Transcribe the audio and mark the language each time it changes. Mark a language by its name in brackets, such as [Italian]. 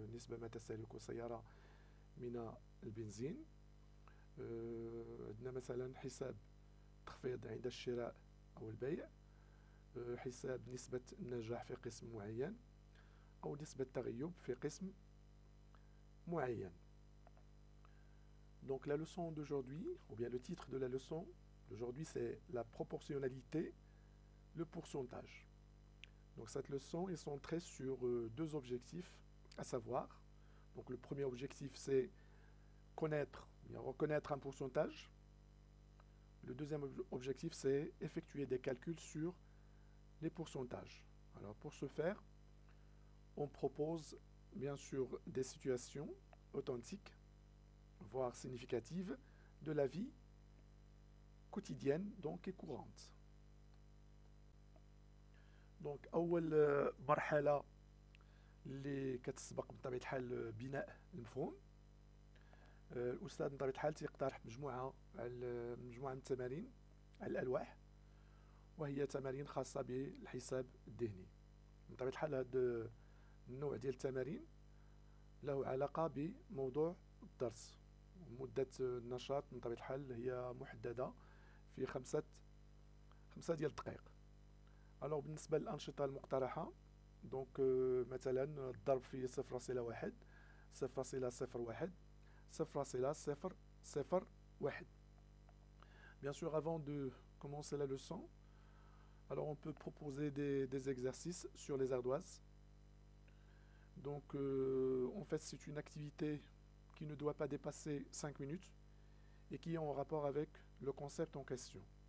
[Arabic] نسبة ما تستهلك سيارة من البنزين، عندنا مثلا حساب تخفيض عند الشراء أو البيع، حساب نسبة النجاح في قسم معين، أو نسبة التغيب في قسم معين. [French] Donc la leçon d'aujourd'hui, ou bien le titre de la leçon d'aujourd'hui, c'est la proportionnalité, le pourcentage. Donc cette leçon est centrée sur deux objectifs, à savoir, donc le premier objectif c'est connaître, bien reconnaître un pourcentage. Le deuxième objectif, c'est effectuer des calculs sur les pourcentages. Alors, pour ce faire, on propose bien sûr des situations authentiques, voire significatives, de la vie quotidienne, donc et courante. [Arabic] Donc, أول مرحلة اللي كتسبق بطبيعة الحال بناء المفهوم. الأستاذ بطبيعة الحال تيقترح مجموعة من التمارين على الألواح، وهي تمارين خاصة بالحساب الذهني. بطبيعة الحال هذا النوع ديال التمارين له علاقة بموضوع الدرس. مدة النشاط بطبيعة الحال هي محددة في خمسة ديال الدقائق. ألوغ بالنسبة للأنشطة المقترحة، دونك مثلا الضرب في 0.1، 0.01، 0.001. [French] Bien sûr, avant de commencer la leçon, alors on peut proposer des exercices sur les ardoises. Donc, en fait, c'est une activité qui ne doit pas dépasser 5 minutes et qui est en rapport avec le concept en question.